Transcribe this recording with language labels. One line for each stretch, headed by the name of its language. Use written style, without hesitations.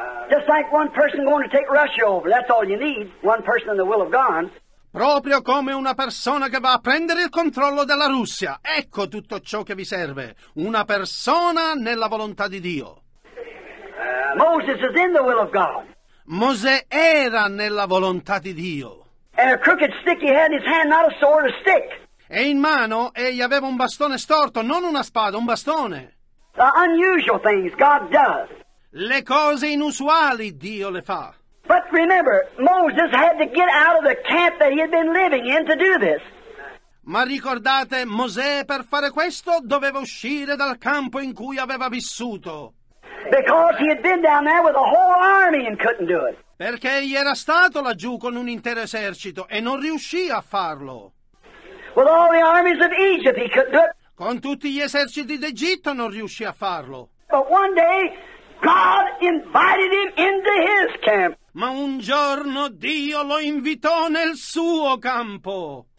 English: Just like one person going to take Russia over, that's all you need, one person in the will of God.
Italian: Proprio come una persona che va a prendere il controllo della Russia. Ecco tutto ciò che vi serve, una persona nella volontà di Dio.
English: Moses is in the will of God.
Italian: Mosè era nella volontà di Dio.
English: And a crooked stick he had in his hand, not a sword, a stick.
Italian: E in mano egli aveva un bastone storto, non una spada, un bastone.
English: The unusual things God does.
Italian: Le cose inusuali Dio le fa.
English: But remember, Moses had to get out of the camp that he had been living in to do this.
Italian: Ma ricordate, Mosè per fare questo doveva uscire dal campo in cui aveva vissuto.
English: Because he had been down there with a whole army and couldn't do it.
Italian: Perché egli era stato laggiù con un intero esercito e non riuscì a farlo.
English: With all the armies of Egypt he couldn't do it.
Italian: Con tutti gli eserciti d'Egitto non riuscì a farlo.
English: But one day God invited him into his camp.
Italian: Ma un giorno Dio lo invitò nel suo campo.